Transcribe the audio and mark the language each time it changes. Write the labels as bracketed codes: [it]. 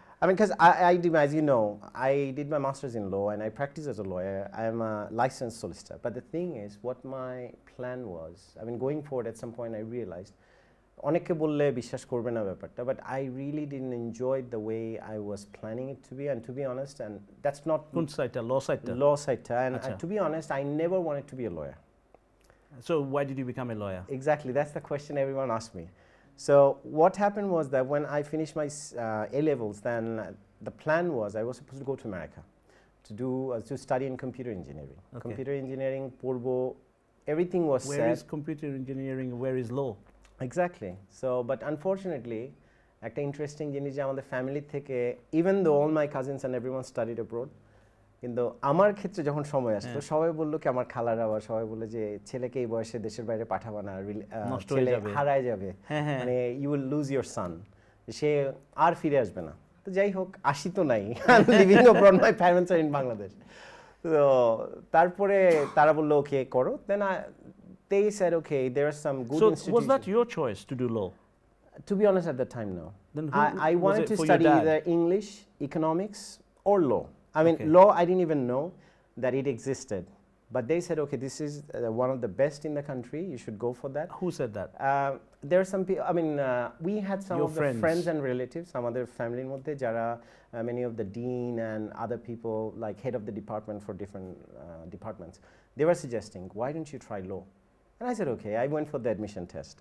[en] I mean, because I do, as you know, I did my master's in law and I practice as a lawyer. I am a licensed solicitor. But the thing is, what my plan was, I mean, going forward, at some point I realized, [bn] অনেকে বললে বিশ্বাস করবে না ব্যাপারটা, [en] but I really didn't enjoy the way I was planning it to be, and to be honest, and that's not [bn] কোন সাইডটা, ল সাইডটা, [en] Law সাইডটা, and to be honest I never wanted to be a lawyer. So why did you become a lawyer? Exactly, that's the question every one ask me. So what happened was that when I finished my A-levels, then the plan was I was supposed to go to America to study in computer engineering. Okay. Computer engineering, porbo, everything was set. Where is computer engineering? Where is law? Exactly. So, but unfortunately, [bn] একটা interesting জিনিস যে আমাদের family থেকে, [en] even though all my cousins and everyone studied abroad, [bn] কিন্তু আমার ক্ষেত্রে যখন সময় আসলো সবাই বললো কি আমার খালারা আবার সবাই বললো যে ছেলেকে এই বয়সে দেশের বাইরে পাঠাবো না, ছেলে হারায় যাবে, মানে [en] you will lose your son, [bn] সে আর ফিরে আসবে না। তো যাই হোক, আসি তো নাই, [en] Living abroad, my parents are in Bangladesh. [bn] তো তারপরে তারা বললো ওকে করো [en] Then they said okay there are some good institution so was that your choice to do law to be honest at that time no then I wanted to study either English economics or law I mean law I didn't even know that it existed But they said, okay, this is one of the best in the country. You should go for that. Who said that? There are some people, I mean, we had some Your of friends. The friends and relatives, some other family in Motte, Jara, many of the dean and other people, like head of the department for different departments. They were suggesting, why don't you try law? And I said, okay, I went for the admission test.